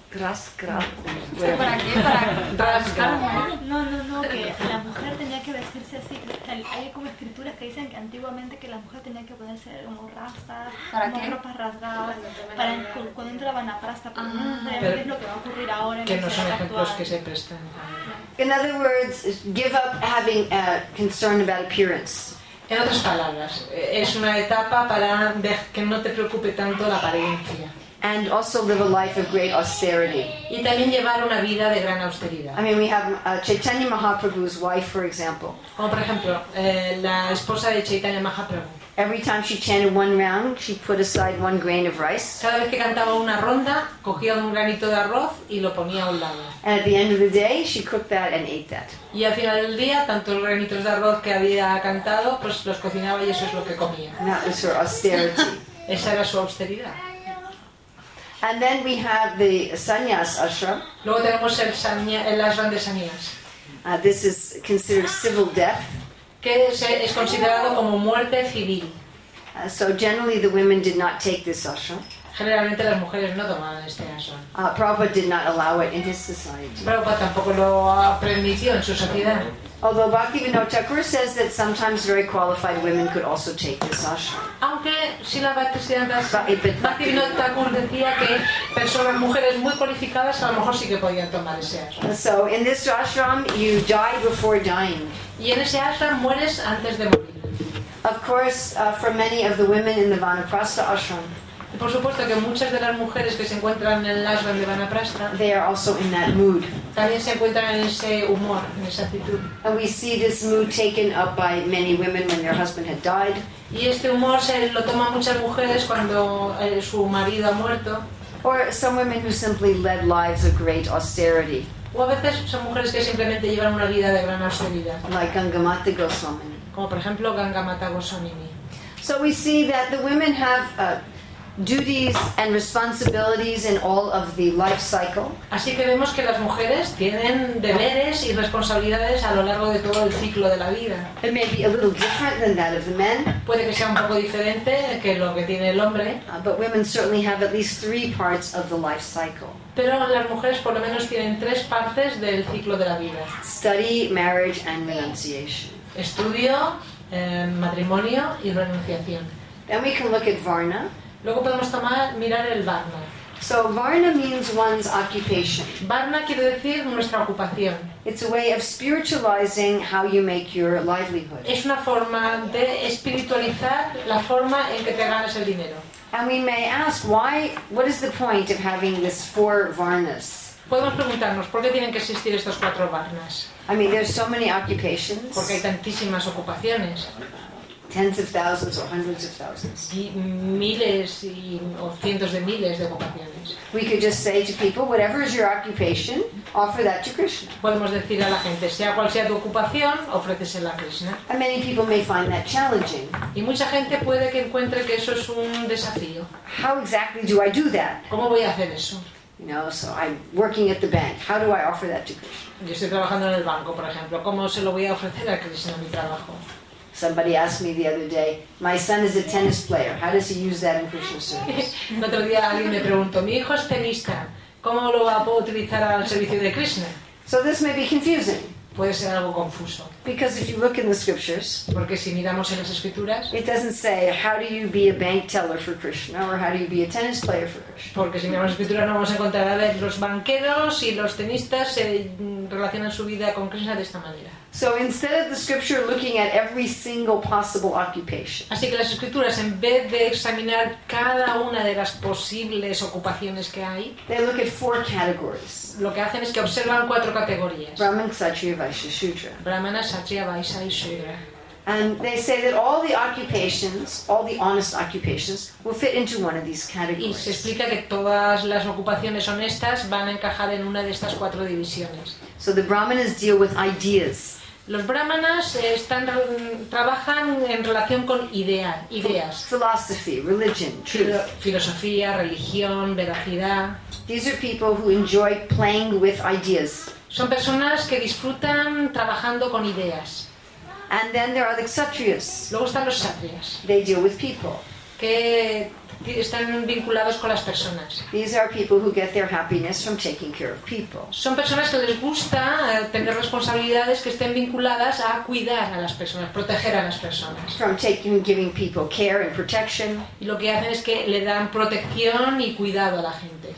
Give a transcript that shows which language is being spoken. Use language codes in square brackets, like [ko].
[es] No, que la mujer tenía que vestirse así. Hay como escrituras que dicen que antiguamente que la mujer tenía que ponerse como rastas, ¿para como qué? Ropas rasgadas, para cuando entra Vanaprastha. Pero no sabemos qué es lo que va a ocurrir ahora. Que no son ejemplos que se prestan. [en] In other words, give up having a concern about appearance. [es] En otras palabras, es una etapa para que no te preocupe tanto la apariencia. [en] And also live a life of great austerity. [es] Y también llevar una vida de gran austeridad. [en] I mean, we have Chaitanya Mahaprabhu's wife, for example. [es] Como por ejemplo, la esposa de Chaitanya Mahaprabhu. [en] Every time she chanted one round, she put aside one grain of rice. [es] Cada vez que cantaba una ronda, cogía un granito de arroz y lo ponía a un lado. [en] And at the end of the day, she cooked that and ate that. [es] Y al final del día, tanto los granitos de arroz que había cantado, pues los cocinaba y eso es lo que comía. [en] And that was her austerity. [es] Esa era su austeridad. [en] And then we have the sannyas ashram. [es] Luego tenemos el ashram de sannyas. [en] This is considered civil death. [es] Que es considerado como muerte civil. [en] So generally the women did not take this ashram. [es] Generalmente las mujeres no tomaban este ashram. [en] Prabhupada did not allow it in his society. [es] Prabhupada tampoco lo permitió en su sociedad. [en] Although Bhaktivinoda Thakur says that sometimes very qualified women could also take this ashram. [es] Aunque si la Bhaktivinoda Thakur decía que personas, mujeres muy cualificadas, a lo mejor sí que podían tomar ese ashram. [en] So in this ashram, you die before dying. [es] Y en ese ashram mueres antes de morir. [en] Of course, for many of the women in the Vanaprastha ashram. [es] Y por supuesto que muchas de las mujeres que se encuentran en el ashram de Vanaprastha, [en] they are also in that mood. [es] También se encuentran en ese humor, en esa actitud. [en] And we see this mood taken up by many women when their husband had died. [es] Y este humor se lo toman muchas mujeres cuando su marido ha muerto. [en] Or some women who simply led lives of great austerity. [es] O a veces son mujeres que simplemente llevan una vida de gran austeridad. [en] Like Gangamata Goswami. [es] Como por ejemplo Gangamata Goswami. [en] So we see that the women have duties and responsibilities in all of the life cycle. [es] Así que vemos que las mujeres tienen deberes y responsabilidades a lo largo de todo el ciclo de la vida. [en] It may be a little different than that of the men. [es] Puede que sea un poco diferente que lo que tiene el hombre. [en] But women certainly have at least three parts of the life cycle. [es] Pero las mujeres por lo menos tienen tres partes del ciclo de la vida. [en] Study, marriage and renunciation. [es] Estudio, matrimonio y renunciación. [en] Then we can look at Varna. [es] Luego podemos mirar el varna. [en] So varna means one's occupation. [es] Varna quiere decir nuestra ocupación. [en] It's a way of spiritualizing how you make your livelihood. [es] Es una forma de espiritualizar la forma en que te ganas el dinero. [en] And we may ask why, what is the point of having these four varnas? [es] Podemos preguntarnos por qué tienen que existir estos cuatro varnas. [en] I mean, there's so many occupations. [es] Porque hay tantísimas ocupaciones. [en] Tens of thousands or hundreds of thousands. [es] Miles y o cientos de miles de ocupaciones. [en] We could just say to people, whatever is your occupation, offer that to Krishna. [es] Podemos decir a la gente, sea cual sea tu ocupación, ofrécesela a Krishna. [en] And many people may find that challenging. [es] Y mucha gente puede que encuentre que eso es un desafío. [en] How exactly do I do that? [es] ¿Cómo voy a hacer eso? [en] You know, so I'm working at the bank. How do I offer that to Krishna? [es] Yo estoy trabajando en el banco, por ejemplo. ¿Cómo se lo voy a ofrecer a Krishna mi trabajo? [en] Somebody asked me the other day, my son is a tennis player, how does he use that in Krishna service? [es] El otro día alguien me preguntó, mi hijo es tenista, ¿cómo lo va a utilizar al servicio de Krishna? [en] So this may be confusing. [es] Puede ser algo confuso. [en] Because if you look in the scriptures, [es] porque si miramos en las escrituras, [en] it doesn't say how do you be a bank teller for Krishna or how do you be a tennis player for Krishna. [es] Porque si miramos en las escrituras no vamos a encontrar a ver los banqueros y los tenistas se relacionan su vida con Krishna de esta manera. [en] So instead of the scripture looking at every single possible occupation, [es] así que las escrituras en vez de examinar cada una de las posibles ocupaciones que hay, [en] they look at four categories. [es] Lo que hacen es que observan cuatro categorías. [en] Brahman, Kshatriya, Vaishya, Shudra. [es] Brahmana, Kshatriya, Vaishya y Shudra. [en] And they say that all the occupations, all the honest occupations, will fit into one of these categories. [es] Y se explica que todas las ocupaciones honestas van a encajar en una de estas cuatro divisiones. [en] So the brahmanas deal with ideas. [es] Los brahmanas están trabajan en relación con ideas. [en] Philosophy, religion, truth. [es] Filosofía, religión, veracidad. [en] These are people who enjoy playing with ideas. [es] Son personas que disfrutan trabajando con ideas. [en] And then there are the kshatriyas. [es] Luego están los kshatriyas. [en] They deal with people. [es] Que están vinculados con las personas. [en] These are people who get their happiness from taking care of people. [es] Son personas que les gusta tener responsabilidades que estén vinculadas a cuidar a las personas, proteger a las personas. [en] From taking and giving people care and protection. [es] Y lo que hacen es que le dan protección y cuidado a la gente.